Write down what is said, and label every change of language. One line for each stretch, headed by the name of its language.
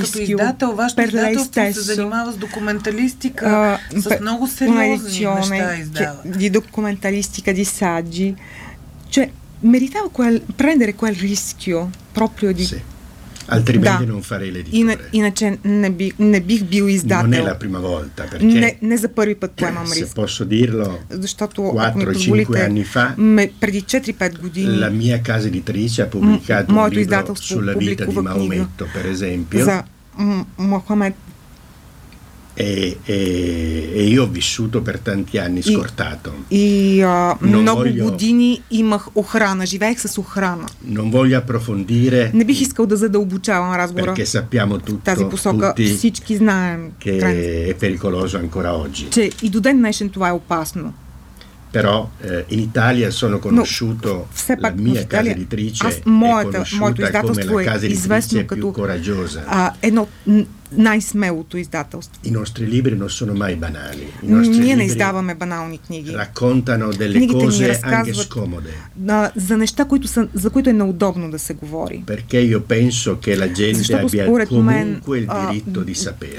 Bulgarian: като издател, вашето издателство се занимава с документалистика, с много сериозни неща издава.
Italian: Di документалистика, di saggi. Cioè, meritava prendere quel rischio proprio di... Sì. Altrimenti non farei l'editore.
Bulgarian: Иначе не бих бил издател.
Italian: Non è la prima volta, perché
Bulgarian: не за първи път поемам риск.
Italian: Se posso dirlo,
Bulgarian: защото
Italian: 4-5 anni fa,
Bulgarian: преди 4-5 години,
Italian: la mia casa editrice ha pubblicato un libro sulla vita di Maometto, per esempio.
Bulgarian: За Мохамед.
Italian: E io ho vissuto per tanti anni scortato.
Bulgarian: Много години имах охрана, живеех с охрана.
Italian: Non voglio approfondire.
Bulgarian: Не бих искал да задълбочавам разговора.
Italian: Perché sappiamo tutto,
Bulgarian: тази посока всички знаем.
Italian: Che è pericoloso ancora oggi.
Bulgarian: Cioè, и до ден днешен това е опасно.
Italian: Però in Italia sono conosciuto la mia casa editrice,
Bulgarian: моето издателство е известно като
Italian: coraggiosa.
Bulgarian: Най-смелото издателство.
Italian: I nostri libri non sono mai banali.
Bulgarian: Ние не издаваме банални книги.
Italian: Raccontano delle книгите cose anche scomode.
Bulgarian: За неща, за които е неудобно да се говори.
Italian: Perché io penso che la gente abbia comunque il diritto di sapere.